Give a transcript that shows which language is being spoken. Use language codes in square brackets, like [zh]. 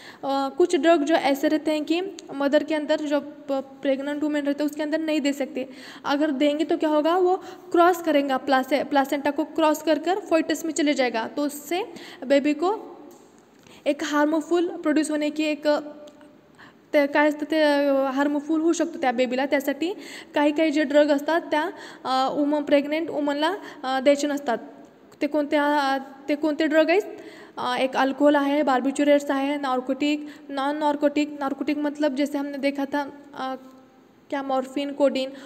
[hi] कुछ ड्रग जो ऐसे रहते हैं कि मदर के अंदर जो प्रेग्नेंट वुमेन रहते हैं उसके अंदर नहीं दे सकते. अगर देंगे तो क्या होगा, वो क्रॉस करेगा प्लासेंटा को क्रॉस कर फोइटस में चले जाएगा, तो उससे बेबी को एक हार्मफुल प्रोड्यूस होने की एक [mr] काय असतं ते हार्मफुल होऊ शकतो त्या बेबीला. त्यासाठी काही काही जे ड्रग असतात त्या वुमन प्रेग्नेंट वुमनला द्यायचे नसतात. ते कोणते ड्रग आहेत, एक अल्कोहोल आहे, बार्बिट्युरेट्स आहे, नार्कोटिक, नॉन नार्कोटिक. [hi] नार्कोटिक मतलब जैसे हमने देखा था क्या, मॉर्फिन, कोडीन.